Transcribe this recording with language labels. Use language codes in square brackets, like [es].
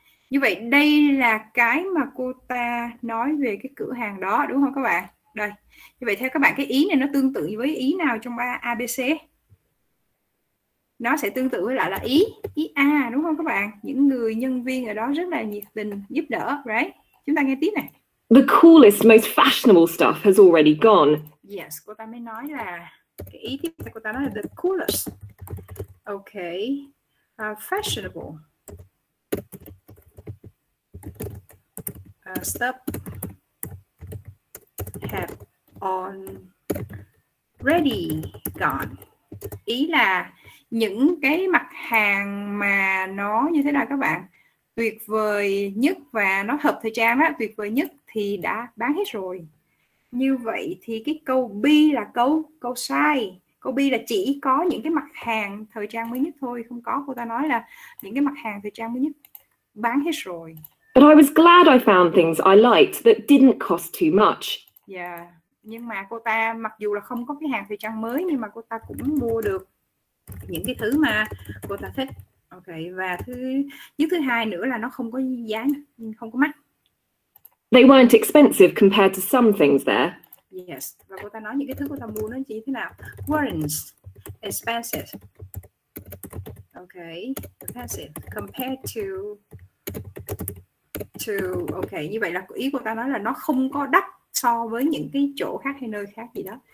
[vi] Như vậy đây là cái mà cô ta nói về cái cửa hàng đó, đúng không các bạn? Đây. Như vậy theo các bạn cái ý này nó tương tự với ý nào trong ba ABC? Nó sẽ tương tự với lại là ý A, đúng không các bạn? Những người nhân viên ở đó rất là nhiệt tình giúp đỡ, right? Chúng ta nghe tiếp này. [en] The coolest, most fashionable stuff has already gone. [vi] Yes, cô ta mới nói là cái ý tiếp theo cô ta nói là [en] the coolest. Okay. Fashionable. Stuff have already gone. [vi] Ý là những cái mặt hàng mà nó như thế nào các bạn? Tuyệt vời nhất và nó hợp thời trang á, tuyệt vời nhất thì đã bán hết rồi. Như vậy thì cái câu B là câu sai. Câu B là chỉ có những cái mặt hàng thời trang mới nhất thôi, không có. Cô ta nói là những cái mặt hàng thời trang mới nhất bán hết rồi. [en] But I was glad I found things I liked that didn't cost too much. Yeah. [vi] Nhưng mà cô ta mặc dù là không có cái hàng thời trang mới nhưng mà cô ta cũng mua được những cái thứ mà cô ta thích. Ok, và thứ hai nữa là nó không có giá, không có mắc. [en] They weren't expensive compared to some things there. [vi] Yes, và cô ta nói những cái thứ cô ta mua nó chỉ thế nào? [en] Weren't expensive. [vi] Ok, [en] expensive compared to [vi] ok, như vậy là ý cô ta nói là nó không có đắt so với những cái chỗ khác hay nơi khác gì đó.